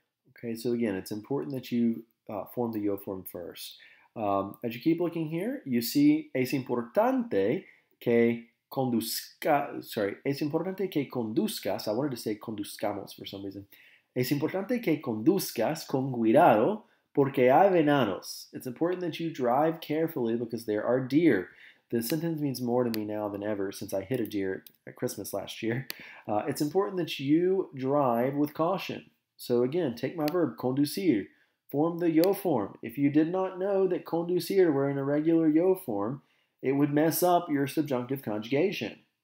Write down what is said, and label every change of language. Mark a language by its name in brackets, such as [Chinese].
[English] Okay, so again, it's important that you form the yo form first. As you keep looking here, you see [Spanish] es importante que conduzcas, [English] I wanted to say conduzcamos for some reason. [Spanish] Es importante que conduzcas con cuidado porque hay venados. [English] It's important that you drive carefully because there are deer. The sentence means more to me now than ever since I hit a deer at Christmas last year. It's important that you drive with caution. So again, take my verb, conducir. Form the yo form. If you did not know that conducir were in a regular yo form, it would mess up your subjunctive conjugation.